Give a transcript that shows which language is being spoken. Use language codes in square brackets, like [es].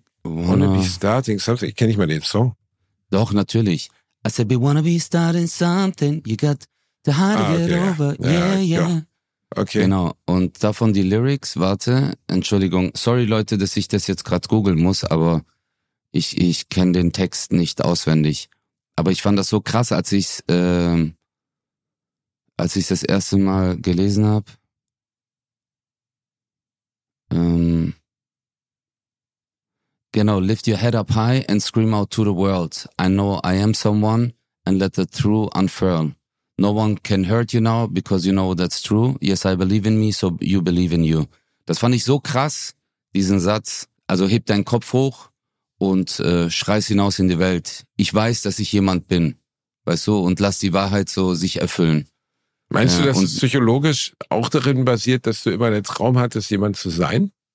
[en] Wanna be starting something? [de] Ich kenne nicht mal den Song. Doch, natürlich. [en] I said, we wanna be starting something. You got the heart to get over. Yeah. Okay. [de] Genau. Und davon die Lyrics. Warte. Entschuldigung. Sorry, Leute, dass ich das jetzt gerade googeln muss, aber ich kenne den Text nicht auswendig. Aber ich fand das so krass, als ich das erste Mal gelesen habe. [en] Genau, lift your head up high and scream out to the world. I know I am someone and let the truth unfurl. No one can hurt you now because you know that's true. Yes, I believe in me, so you believe in you. [de] Das fand ich so krass, diesen Satz. Also heb deinen Kopf hoch und schreis hinaus in die Welt. Ich weiß, dass ich jemand bin, weißt du, und lass die Wahrheit so sich erfüllen. Meinst du, dass es psychologisch auch darin basiert, dass du immer den Traum hattest, jemand zu sein?